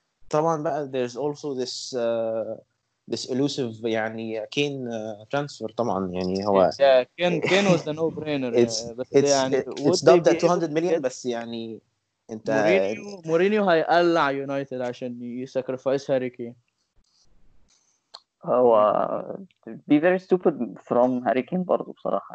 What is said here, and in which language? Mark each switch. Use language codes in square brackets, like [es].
[ar] طبعا بقى [en] there's also this elusive [ar] يعني كين transfer طبعا يعني هو [en] yeah, Kane was the no brainer. it's dubbed at 200 million [ar] بس يعني انت مورينيو هيقلع يونايتد عشان يسكرفايس هاري كين. هو [en] be very stupid from [ar] هاري كين برضه بصراحه.